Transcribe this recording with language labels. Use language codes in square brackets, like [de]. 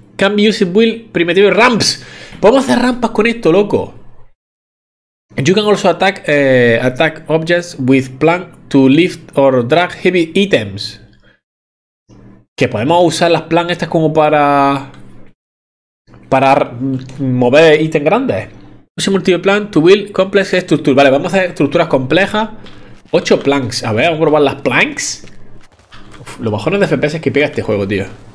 [en] Can be used with primitive ramps. [es] Podemos hacer rampas con esto, loco. [en] You can also attack objects with plank to lift or drag heavy items. [es] Que podemos usar las plank estas como para mover ítems grandes. [en] Use multiple plank to build complex structures. [es] Vale, vamos a hacer estructuras complejas. [en] 8 planks. [es] A ver, vamos a probar las planks. Uf, lo mejor no es de FPS que pega este juego, tío.